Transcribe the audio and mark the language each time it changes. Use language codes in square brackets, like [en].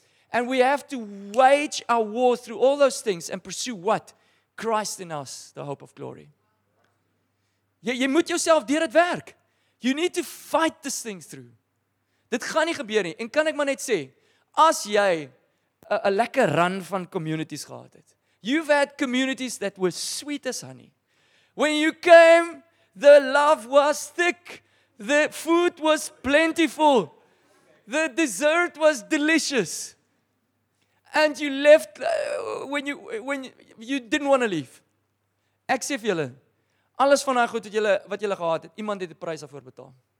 [en] And we have to wage our war through all those things and pursue what? Christ in us, the hope of glory. [af] Jy moet jouself deur dit werk. [en] You need to fight this thing through. [af] Dit gaan nie gebeur nie. En kan ek maar net sê, as jy 'n lekker run van communities gehad het, [en] you've had communities that were sweet as honey. When you came, the love was thick, the food was plentiful, the dessert was delicious. And you left when you didn't want to leave. [af] Ek sê vir julle, alles van daai goed wat julle gehad het, iemand het die prys daarvoor betaal.